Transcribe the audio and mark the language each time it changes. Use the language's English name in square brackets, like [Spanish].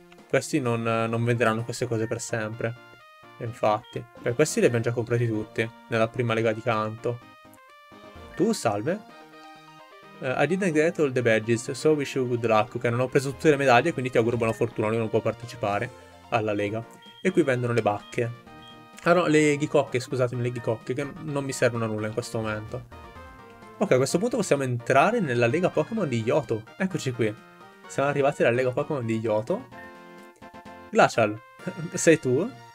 [Italian] Questi non venderanno queste cose per sempre. E infatti, beh, questi li abbiamo già comprati tutti nella prima lega di Kanto. Tu, salve. [English] I didn't get all the badges, so wish you good luck. [Italian] Ok, non ho preso tutte le medaglie, quindi ti auguro buona fortuna. Lui non può partecipare alla lega. E qui vendono le bacche. Ah no, le ghicocche, scusatemi, le ghicocche, che non mi servono a nulla in questo momento. Ok, a questo punto possiamo entrare nella lega Pokémon di Johto. Eccoci qui. Siamo arrivati alla Lega Pokémon di Johto. Glacial, sei tu?